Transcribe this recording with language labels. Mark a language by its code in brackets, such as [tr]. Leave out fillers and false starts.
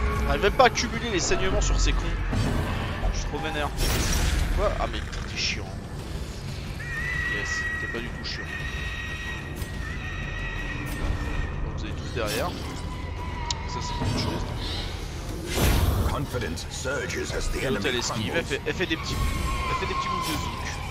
[fr] Je vais pas accumuler les saignements sur ces cons. Je suis trop vénère. Quoi? Ah mais t'es chiant. Yes, t'es pas du tout chiant. Bon, vous êtes tous derrière. Ça c'est une chose. [en] Confidence surges as the enemy crumbles. [fr] Elle fait des petits moves de zouk.